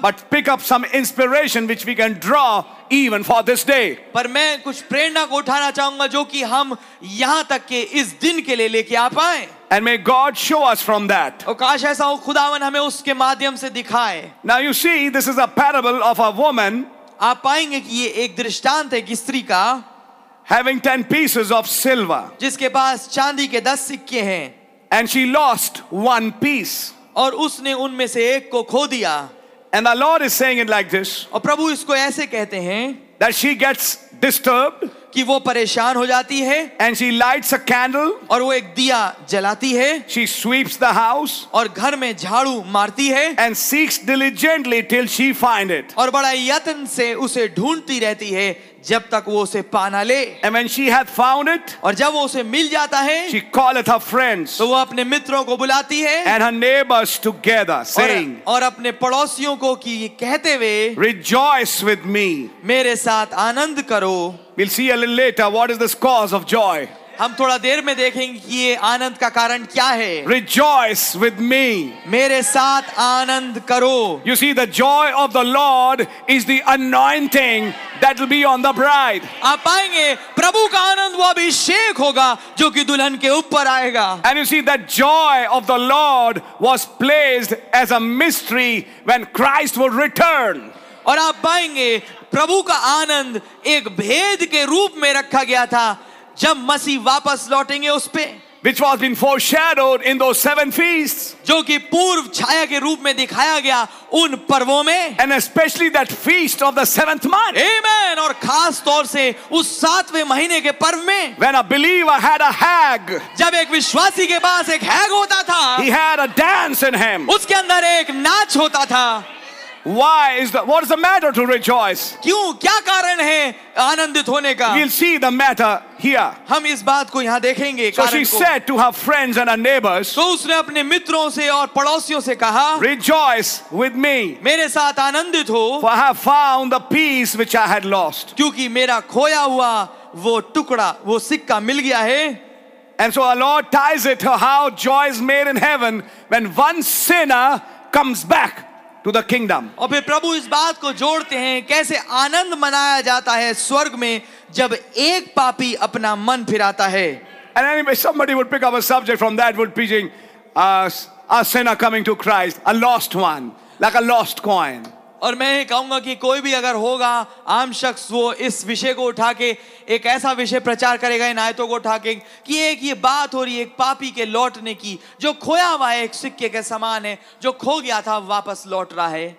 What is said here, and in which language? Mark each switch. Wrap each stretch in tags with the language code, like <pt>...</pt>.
<en>But pick up some inspiration which we can draw even for this day.</en> <hi>पर मैं कुछ प्रेरणा को उठाना चाहूंगा जो कि हम यहां तक के इस दिन के लिए लेके आ पाए.</hi> <en>And may God show us from that.</en> <hi>और काश ऐसा हो खुदावन हमें उसके माध्यम से दिखाए.</hi> <en>Now you see, this is a parable of a woman.</en> <hi>आप पाएंगे कि ये एक दृष्टांत है कि स्त्री का.</hi> <en>Having 10 pieces of silver.</en> <hi>जिसके पास चांदी के 10 सिक्के हैं.</hi> <en>And she lost one piece.</en> <hi>और उसने उनमें से एक को खो दिया.</hi> <en>And the Lord is saying it like this.</en> <hi>और प्रभु इसको ऐसे कहते हैं.</hi> <en>That she gets disturbed.</en> <hi>कि वो परेशान हो जाती है.</hi> <en>And she lights a candle.</en> <hi>और वो एक दिया जलाती है.</hi> <en>She sweeps the house.</en> <hi>और घर में झाड़ू मारती है.</hi> <en>And seeks diligently till she find it.</en> <hi>और बड़ा यत्न से उसे ढूंढती रहती है. जब तक वो उसे पाना ले.</hi> <en>And when she had found it,</en> <hi>और जब वो उसे मिल जाता है,</hi> <en>she calleth her friends,</en> <hi>तो वो अपने मित्रों को बुलाती है,</hi> <en>and her neighbors together, saying,</en> <hi>और अपने पड़ोसियों को कि ये कहते हुए,</hi> <en>rejoice with me,</en> <hi>मेरे साथ आनंद करो.</hi> <en>We'll see a little later what is this cause of joy.</en> <hi>हम थोड़ा देर में देखेंगे कि ये आनंद का कारण क्या है.</hi> <en>Rejoice with me.</en> <hi>मेरे साथ आनंद करो.</hi> <en>You see, the joy of the Lord is the anointing that will be on the bride.</en> <hi>आप पाएंगे प्रभु का आनंद वो अभिषेक होगा जो कि दुल्हन के ऊपर आएगा.</hi> <en>And you see, the joy of the Lord was placed as a mystery when Christ will return.</en> <hi>और आप पाएंगे प्रभु का आनंद एक भेद के रूप में रखा गया था जब मसीह वापस लौटेंगे उस पे.</hi> <en>Which was been foreshadowed in those seven feasts.</en> <hi>जो कि पूर्व छाया के रूप में दिखाया गया उन पर्वों में.</hi> <en>And especially that feast of the seventh month. Amen.</en> <hi>और खास तौर से उस सातवें महीने के पर्व में.</hi> <en>When a believer had a hag.</en> <hi>जब एक विश्वासी के पास एक हैग होता था.</hi> <en>He had a dance in him.</en> <hi>उसके अंदर एक नाच होता था.</hi> <en>Why is the what is the matter to rejoice?</en> <hi>क्यों क्या कारण है आनंदित होने का?</hi> <en>We'll see the matter here.</en> <hi>हम इस बात को यहाँ देखेंगे.</hi> <en>So she said to her friends and her neighbors.</en> <hi>तो उसने अपने मित्रों से और पड़ोसियों से कहा.</hi> <en>Rejoice with me.</en> <hi>मेरे साथ आनंदित हो.</hi> <en>For I have found the piece which I had lost.</en> <hi>क्योंकि मेरा खोया हुआ वो टुकड़ा वो सिक्का मिल गया है.</hi> <en>And so our Lord ties it to how joy is made in heaven when one sinner comes back. To the kingdom.</en> <hi>और फिर प्रभु इस बात को जोड़ते हैं कैसे आनंद मनाया जाता है स्वर्ग में जब एक पापी अपना मन फिराता है.</hi> <en>And anyway, somebody would pick up a subject from that would be saying, a sinner coming to Christ, a lost one, like a lost coin.</en> <hi>और मैं कहूंगा कि कोई भी अगर होगा आम शख्स वो इस विषय को उठा के एक ऐसा विषय प्रचार करेगा इन आयतों को उठा के कि एक ये बात हो रही है एक पापी के लौटने की जो खोया हुआ है एक सिक्के के समान है जो खो गया था वापस लौट रहा है.</hi>